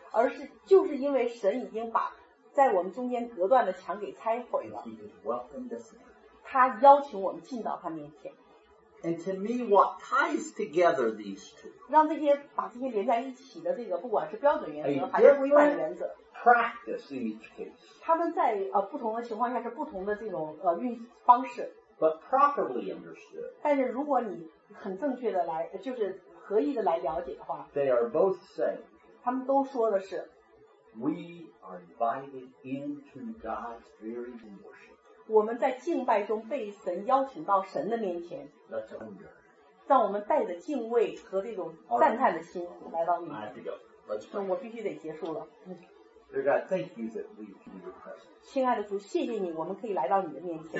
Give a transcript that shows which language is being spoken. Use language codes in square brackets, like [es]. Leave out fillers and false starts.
[zh] 而是就是因为神已经把在我们中间隔断的墙给拆毁了 [en] He has welcomed us in [zh] 他邀请我们进到他面前 [en] And to me, what ties together these two? [zh] 让这些把这些连在一起的这个，不管是标准原则还是规范原则 [en] practice in each case. [zh] 他们在不同的情况下是不同的这种运方式。 [en] But properly understood. [zh] 但是如果你很正确的来，就是合意的来了解的话 [en] ，they are both saying. [zh] 他们都说的是 [en] ，we are invited into God's very worship. [zh] 我们在敬拜中被神邀请到神的面前 [en] Let's wonder. [zh] 让我们带着敬畏和这种赞叹的心来到你面前 [en] I have to go. Let's pray. [zh] 那我必须得结束了 [en] Dear God, thank you that we can be your presence. [zh] 亲爱的主谢谢你我们可以来到你的面前